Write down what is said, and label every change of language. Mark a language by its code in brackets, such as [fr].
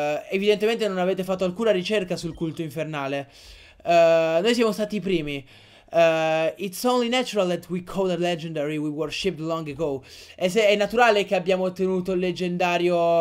[it] Evidentemente non avete fatto alcuna ricerca sul culto infernale. Noi siamo stati i primi. [en] It's only natural that we call it legendary. We worshipped long ago. [it] E se è naturale che abbiamo ottenuto il leggendario.